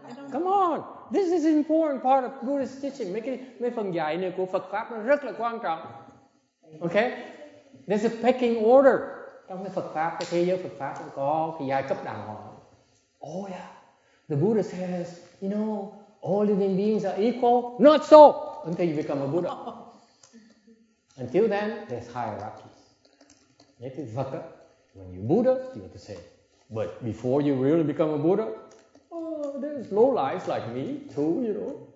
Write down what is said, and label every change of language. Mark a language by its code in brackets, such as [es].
[en] Come on, this is an important part of Buddhist teaching. [vi] Mấy phần dạy này của Phật pháp nó rất là quan trọng. [en] Okay, there's a pecking order. [vi] Trong cái Phật pháp, cái thế giới Phật pháp cũng có cái giai cấp đàng hoàng. [en] Oh yeah, the Buddha says, you know, all living beings are equal. Not so, until you become a Buddha. Until then, there's hierarchies. [vi] Nếu thì Phật á, [en] when you're Buddha, you have to say. But before you really become a Buddha, oh, there's low lives like me too, you know.